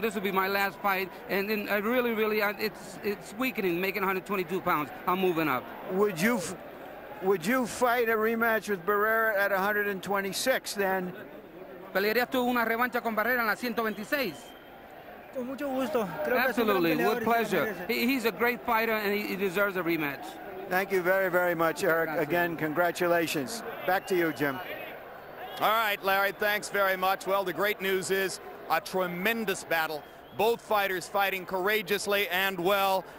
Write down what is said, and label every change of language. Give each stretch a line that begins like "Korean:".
English: This will be my last fight, and then I really, it's weakening, making 122 pounds. I'm moving up. Would you fight a rematch with Barrera at 126 then?
Spanish: ¿Pelearías tú una revancha con Barrera en la 126? Con mucho gusto. Creo
English: absolutely,
Spanish: que
English: with pleasure. He's a great fighter and he deserves a rematch. Thank you very, very much, Erik.
Spanish: Gracias.
English: Again, congratulations. Back to you, Jim. All right, Larry, thanks very much. Well, the great news is a tremendous battle. Both fighters fighting courageously and well.